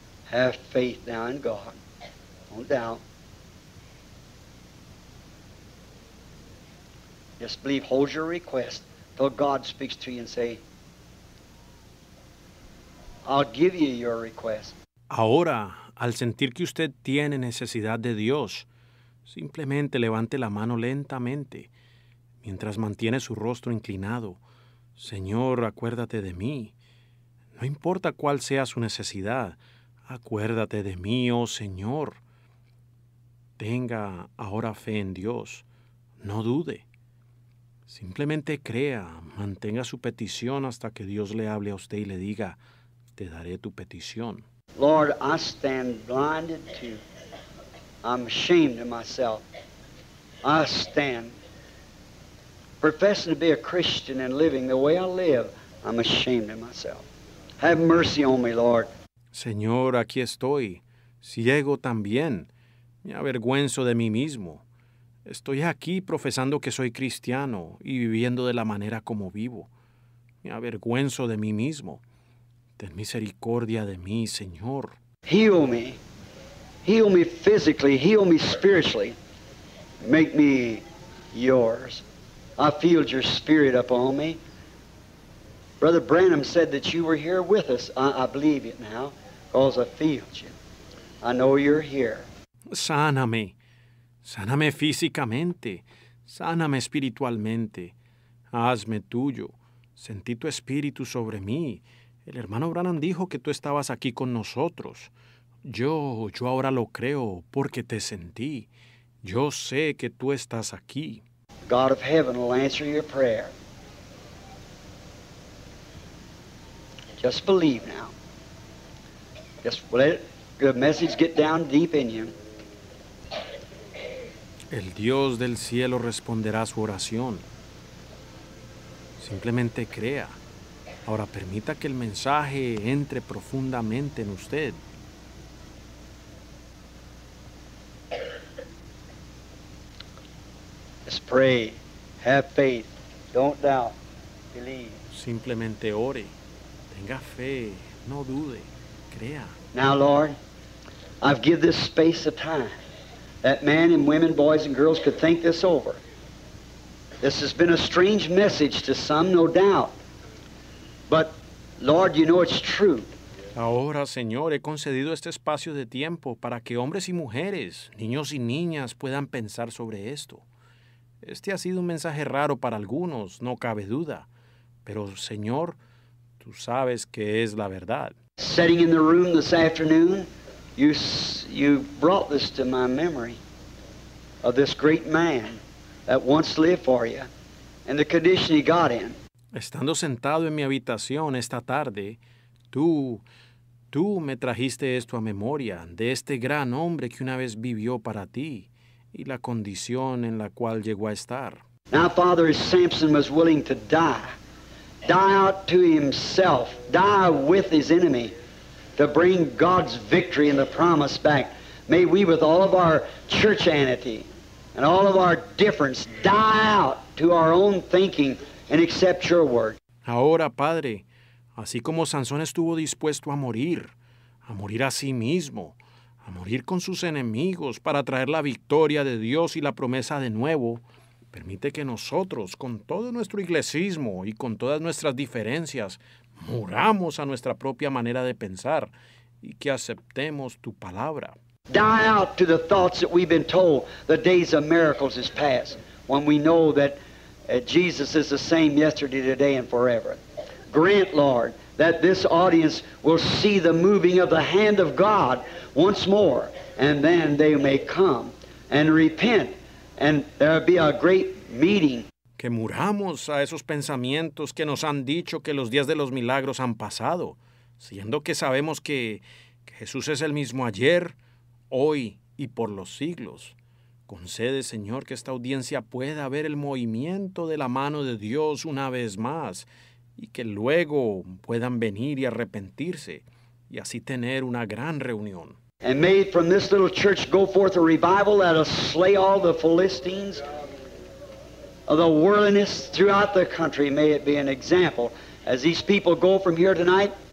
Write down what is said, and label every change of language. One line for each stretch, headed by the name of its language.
English: Have faith now in God. Don't doubt. Just believe, hold your request till God speaks to you and say, I'll give you your request.
Spanish: Ahora, al sentir que usted tiene necesidad de Dios, simplemente levante la mano lentamente, mientras mantiene su rostro inclinado. Señor, acuérdate de mí. No importa cuál sea su necesidad, acuérdate de mí, oh Señor. Tenga ahora fe en Dios. No dude. Simplemente crea, mantenga su petición hasta que Dios le hable a usted y le diga, te daré tu petición.
English: Lord, I stand blinded to you. I'm ashamed of myself. I stand professing to be a Christian and living the way I live. I'm ashamed of myself. Have mercy on me, Lord.
Spanish: Señor, aquí estoy, ciego también. Me avergüenzo de mí mismo. Estoy aquí profesando que soy cristiano y viviendo de la manera como vivo. Me avergüenzo de mí mismo. Ten misericordia de mí, Señor.
English: Heal me. Heal me physically, heal me spiritually. Make me yours. I feel your spirit upon me. Brother Branham said that you were here with us. I believe it now, because I feel you. I know you're here.
Spanish: Sáname. Sáname físicamente. Sáname espiritualmente. Hazme tuyo. Sentí tu espíritu sobre mí. El hermano Branham dijo que tú estabas aquí con nosotros. Yo ahora lo creo porque te sentí. Yo sé que tú estás aquí.
English: God of heaven will answer your prayer. Just believe now. Just let the message get down deep in you.
Spanish: El Dios del cielo responderá su oración. Simplemente crea. Ahora permita que el mensaje entre profundamente en usted.
English: Pray, have faith, don't doubt, believe.
Spanish: Simplemente ore, tenga fe, no dude, crea.
English: Now, Lord, I've given this space of time that men and women, boys and girls could think this over. This has been a strange message to some, no doubt. But, Lord, you know it's true.
Spanish: Ahora, Señor, he concedido este espacio de tiempo para que hombres y mujeres, niños y niñas puedan pensar sobre esto. Este ha sido un mensaje raro para algunos, no cabe duda. Pero, Señor, tú sabes que es la verdad.
English: Sitting in the room this afternoon, you brought this to my memory of this great man that once lived for you and the condition he got in.
Spanish: Estando sentado en mi habitación esta tarde, tú me trajiste esto a memoria de este gran hombre que una vez vivió para ti. Y la condición en la cual llegó a estar.
English: Now, Father, Samson was willing to die out to himself, die with his enemy, to bring God's victory and the promise back. May we, with all of our churchianity and all of our difference, die out to our own thinking and accept your word.
Spanish: Ahora, Padre, así como Sansón estuvo dispuesto a morir a sí mismo, a morir con sus enemigos para traer la victoria de Dios y la promesa de nuevo, permite que nosotros, con todo nuestro iglesismo y con todas nuestras diferencias, muramos a nuestra propia manera de pensar y que aceptemos tu palabra.
English: Die out to the thoughts that we've been told the days of miracles is past, when we know that Jesus is the same yesterday, today, and forever. Grant, Lord, that this audience will see the moving of the hand of God once more, and then they may come and repent, and there will be a great meeting.
Spanish: Que muramos a esos pensamientos que nos han dicho que los días de los milagros han pasado, siendo que sabemos que Jesús es el mismo ayer, hoy y por los siglos. Concede, Señor, que esta audiencia pueda ver el movimiento de la mano de Dios una vez más, y que luego puedan venir y arrepentirse, y así tener una gran reunión.
English: And may from this little church go forth a revival that'll slay all the Philistines, the worldliness throughout the country. May it be an example as these people go from here tonight.